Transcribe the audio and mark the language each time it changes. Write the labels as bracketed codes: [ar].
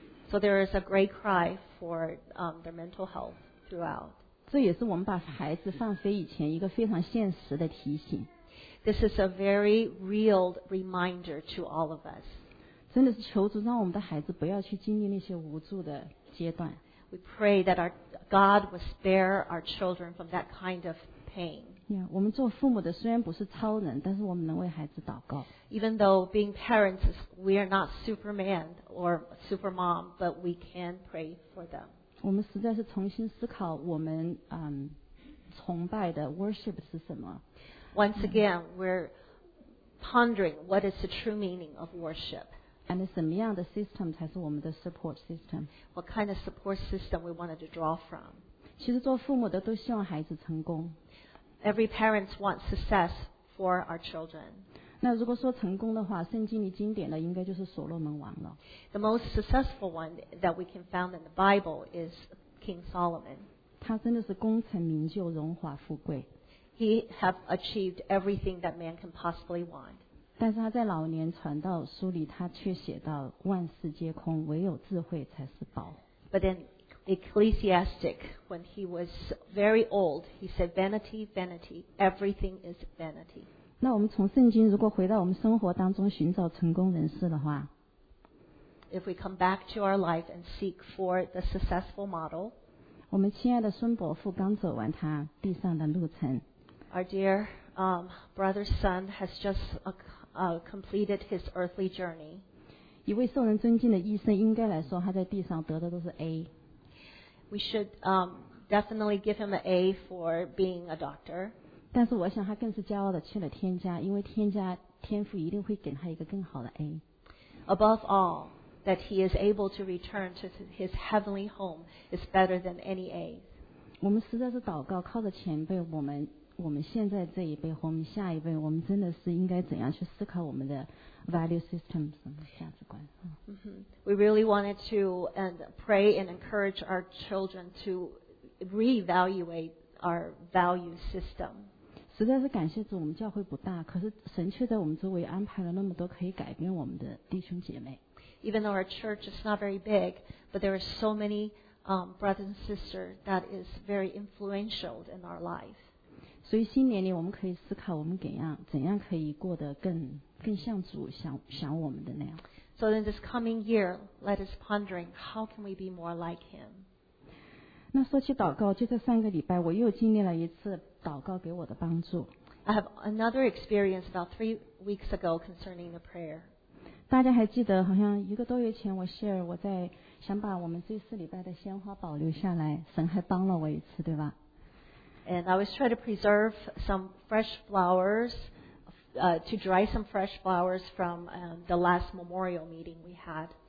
[en] So there is a great cry for their mental health throughout. [zh] 这也是我们把孩子放飞以前一个非常现实的提醒。 [en] This is a very real reminder to all of us. [zh] 真的是求主让我们的孩子不要去经历那些无助的阶段。 [en] We pray that our God will spare our children from that kind of pain. [zh] Yeah, 我们做父母的虽然不是超人，但是我们能为孩子祷告。 [en] Even though being parents, we are not Superman or Supermom, but we can pray for them. [zh] 我们实在是重新思考我们崇拜的 worship 是什么。 [en] Once again, we're pondering what is the true meaning of worship. [zh] And 什么样的 system 才是我们的 [en] support system? What kind of support system we wanted to draw from? [zh] 其实做父母的都希望孩子成功。 [en] Every parent wants success for our children. [zh] 那如果说成功的话，圣经里经典的应该就是所罗门王了。 [en] The most successful one that we can found in the Bible is King Solomon. [zh] 他真的是功成名就，荣华富贵。 [en] He have achieved everything that man can possibly want. [zh] 但是他在老年传道书里，他却写到万事皆空，唯有智慧才是宝。 [en] But in Ecclesiastic, when he was very old, he said, "Vanity, vanity, everything is vanity." [zh] 那我们从圣经，如果回到我们生活当中寻找成功人士的话 [en] ，If we come back to our life and seek for the successful model, [zh] 我们亲爱的孙伯父刚走完他地上的路程。 [en] Our dear brother's son has just completed his earthly journey. [zh] 一位受人尊敬的医生应该来说他在地上得的都是 A. [en] We should definitely give him an A for being a doctor. [zh] 但是我想他更是骄傲的去了天家，因为天家天父一定会给他一个更好的 A. [en] Above all, that he is able to return to his heavenly home is better than any A. [zh] 我们实在是祷告靠着前辈我们现在这一辈和我们下一辈，我们真的是应该怎样去思考我们的 [en] value system [zh] 什么价值观？ [en] We really wanted to and pray and encourage our children to reevaluate our value system. [zh] 实在是感谢主，我们教会不大，可是神却在我们周围安排了那么多可以改变我们的弟兄姐妹。 [en] Even though our church is not very big, but there are so many brothers and sisters that is very influential in our life. [zh] 所以新年里我们可以思考我们怎样可以过得更像主想我们的那样。 [en] So in this coming year, let us pondering how can we be more like him. [zh] 那说起祷告，就这三个礼拜我又经历了一次祷告给我的帮助。 [en] I have another experience about 3 weeks ago concerning the prayer. [zh] 大家还记得好像一个多月前我 share 我在想把我们这四礼拜的鲜花保留下来，神还帮了我一次，对吧？ [en] And I was trying to preserve some fresh flowers, to dry some fresh flowers from the last memorial meeting we had.